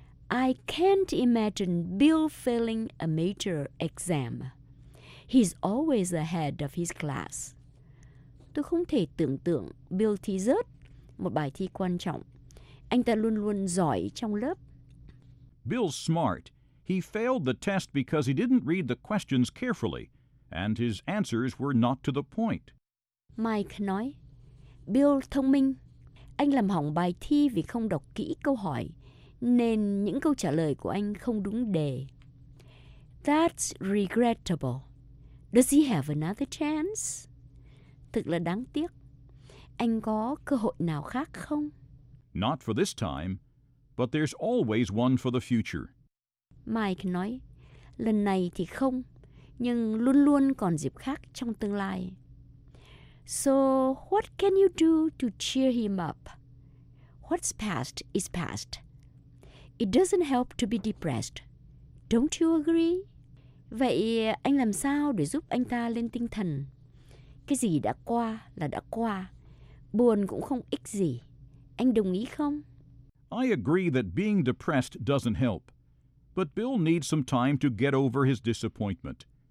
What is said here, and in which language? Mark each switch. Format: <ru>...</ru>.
<en>I can't imagine Bill failing a major exam. He's always ahead of his class.</en> <vi>Tôi không thể tưởng tượng Bill thi rớt một bài thi quan trọng. Anh ta luôn luôn giỏi trong lớp.</vi> <en>Bill's smart. He failed the test because he didn't read the questions carefully, and his answers were not to the point.</en> <vi>Mike nói, Bill thông minh. Anh làm hỏng bài thi vì không đọc kỹ câu hỏi, nên những câu trả lời của anh không đúng đề.</vi> <en>That's regrettable. Does he have another chance?</en> <vi>Thực là đáng tiếc. Anh có cơ hội nào khác không?</vi> <en>Not for this time, but there's always one for the future.</en> <vi>Mike nói, lần này thì không, nhưng luôn luôn còn dịp khác trong tương lai.</vi> <en>So, what can you do to cheer him up? What's past is past. It doesn't help to be depressed. Don't you agree?</en> <vi>Vậy anh làm sao để giúp anh ta lên tinh thần? Cái gì đã qua là đã qua. Buồn cũng không ích gì. Anh đồng ý không?</vi> <en>I agree that being depressed doesn't help. But Bill needs some time to get over his disappointment.</en>